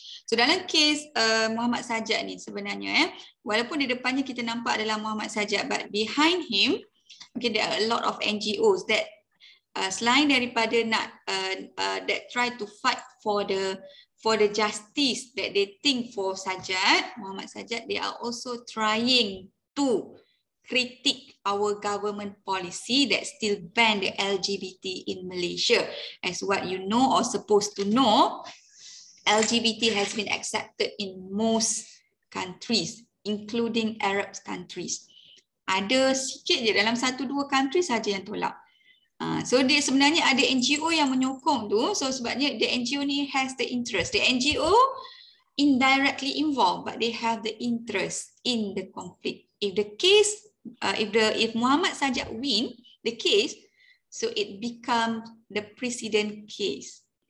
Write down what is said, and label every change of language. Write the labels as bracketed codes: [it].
[ms] So dalam kes Muhammad Sajak [en] ni sebenarnya, walaupun di depannya kita nampak adalah Muhammad Sajak, but behind him, okay, there are a lot of NGOs that [ms] selain daripada nak [en] that try to fight for the justice that they think for Sajak, Muhammad Sajak, they are also trying to critique our government policy that still ban the LGBT in Malaysia. As what you know or supposed to know, LGBT has been accepted in most countries, including Arab countries. [ms] Ada sikit je, dalam satu dua country saja yang tolak. So dia sebenarnya ada NGO yang menyokong tu. [en] So sebabnya the NGO ni has the interest. The NGO indirectly involved, but they have the interest in the conflict. If the case if Muhammad Sajak win the case, so it become the precedent case.